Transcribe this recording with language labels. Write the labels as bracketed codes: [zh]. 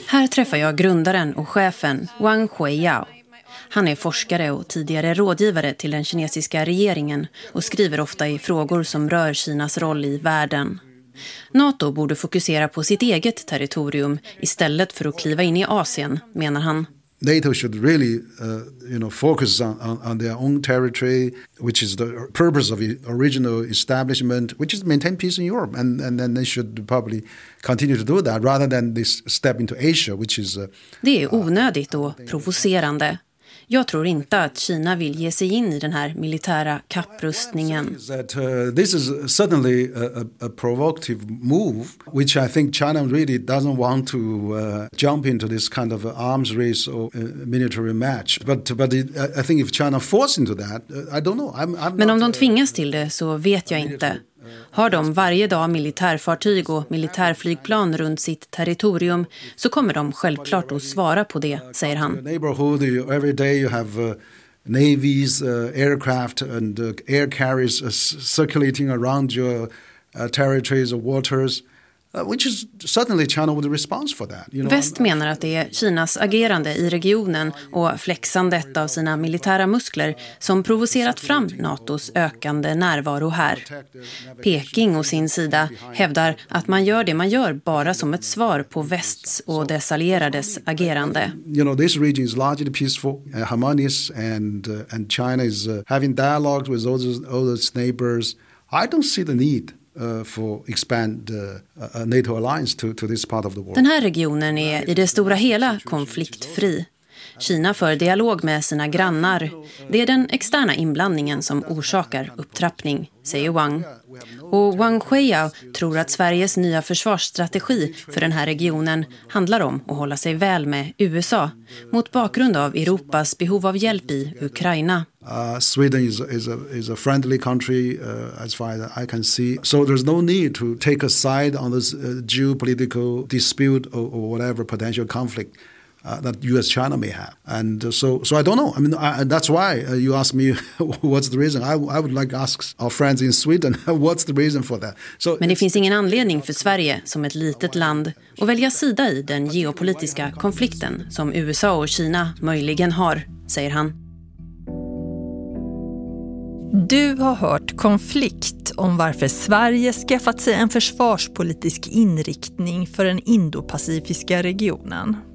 [sv] Här träffar jag grundaren och chefen Wang Huiyao. Han är forskare och tidigare rådgivare till den kinesiska regeringen och skriver ofta i frågor som rör Kinas roll i världen. NATO borde fokusera på sitt eget territorium istället för att kliva in i Asien, menar han. [en] NATO should really focus on their own territory, which is the purpose of the original establishment, which is maintain peace in Europe, and then they should probably continue to do that rather than this step into Asia, which is [sv] Det är onödigt och provocerande. Jag tror inte att Kina vill ge sig in i den här militära kapprustningen. [en] This is certainly a provocative move, which I think China really doesn't want to jump into this kind of arms race or military match. But I think if China forced into that, I don't know. [sv] Men om de tvingas till det så vet jag inte. Har de varje dag militärfartyg och militärflygplan runt sitt territorium så kommer de självklart att svara på det, säger han. [en] Neighborhood every day you have navies, aircraft and air carriers circulating around your territories or waters, which is certainly China would respond for that. [sv] Väst menar att det är Kinas agerande i regionen och flexandet av sina militära muskler som provocerat fram NATOs ökande närvaro här. Peking å sin sida hävdar att man gör det man gör bara som ett svar på västs och dess allierades agerande. [en] You know, this region is largely peaceful, harmonious, and China is having dialogues with all its neighbors. I don't see the need for expand NATO alliance to this part of the world. [sv] Den här regionen är i det stora hela konfliktfri. Kina för dialog med sina grannar. Det är den externa inblandningen som orsakar upptrappning, säger Wang. Och Wang Huiyao tror att Sveriges nya försvarsstrategi för den här regionen handlar om att hålla sig väl med USA mot bakgrund av Europas behov av hjälp i Ukraina. [en] Sweden is a friendly country as far as I can see. So there's no need to take a side on this geopolitical dispute or whatever potential conflict that US China may have. And so I don't know. I mean, that's why you ask me what's the reason. I would like to ask our friends in Sweden what's the reason for that. So [sv] men det finns ingen anledning för Sverige som ett litet land att välja sida i den geopolitiska konflikten som USA och Kina möjligen har, säger han. Du har hört Konflikt om varför Sverige skaffat sig en försvarspolitisk inriktning för den indopacifiska regionen.